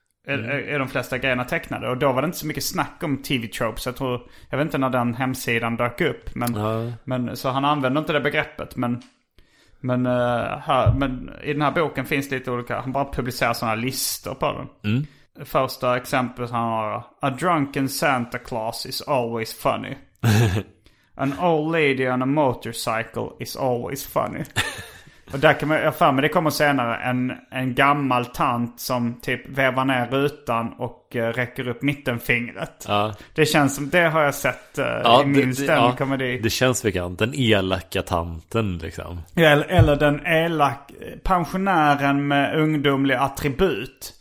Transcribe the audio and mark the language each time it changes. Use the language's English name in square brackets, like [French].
[Swedish] Är de flesta grejerna tecknade. Och då var det inte så mycket snack om TV-tropes. Jag vet inte när den hemsidan dök upp. Men, men, så han använde inte det begreppet. Men i den här boken finns det lite olika. Han bara publicerar sådana listor på den. Mm. Första exemplet han har. [English] A drunken Santa Claus is always funny. An old lady on a motorcycle is always funny. [Swedish] Och där kan man, jag för mig, det kommer senare, en gammal tant som typ vevar ner rutan och räcker upp mittenfingret. Ja. Det känns som, det har jag sett i min ställning komedi. Det känns bekant, den elaka tanten liksom. Eller den elaka pensionären med ungdomlig attribut.